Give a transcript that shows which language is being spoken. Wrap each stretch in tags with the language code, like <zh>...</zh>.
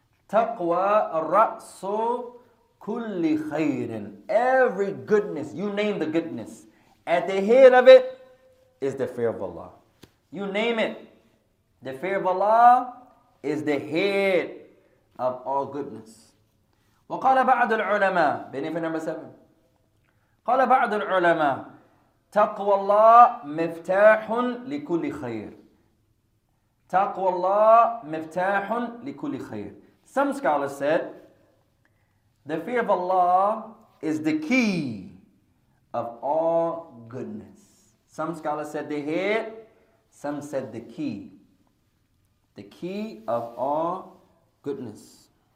<ar>Taqwa ra'su kulli khayrin.</ar> <en>Every goodness, you name the goodness, at the head of it is the fear of Allah. You name it, the fear of Allah is the head of all goodness.</en> <ar>Wa qala ba'd al-ulama,</ar> <en>benefit number seven.</en> <ar>قال بعض العلماء تقوى الله مفتاح لكل خير. تقوى الله مفتاح لكل خير.</ar> <en>Some scholars said the fear of Allah is the key of all goodness. Some scholars said the head, some said the key. The key of all goodness.</en>